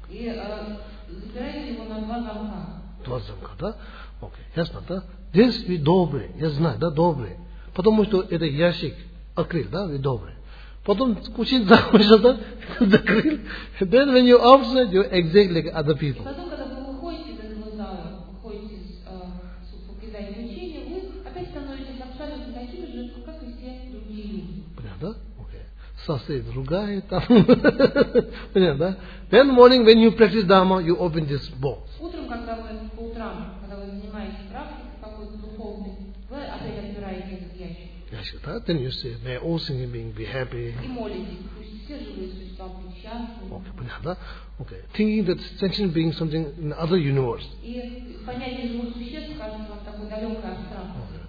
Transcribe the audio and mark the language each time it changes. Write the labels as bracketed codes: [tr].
[ru] И запираете его на два замка. Два замка, да? Окей, ясно, да? Здесь вы добрые, я знаю, да, добрые. Потому что это ящик открыл, да, вы добрые. Потом кучить захочет, да, закрыл. [en] Then when you outside, you exactly like other people. [ru] Потом, когда вы выходите из этого зала, выходите из покидания учения, вы опять становитесь абсолютно такими же, как и все другие люди. Понятно, да? Сосы другая там. Понятно, да? [en] Then morning, when you practice Dhamma, you open this box. [ru] Утром, когда вы по утрам, когда вы занимаетесь практикой какой-то духовной, вы опять отбираете этот ящик. Ящик, да? [en] Then you say, may all singing beings be happy. [ru] И молитесь, пусть все живые существа будут счастливы. Окей, понятно, да? Окей. [en] Thinking that sentient being something in other universe. [ru] И понятие живых существ кажется вам такой далекой абстракцией.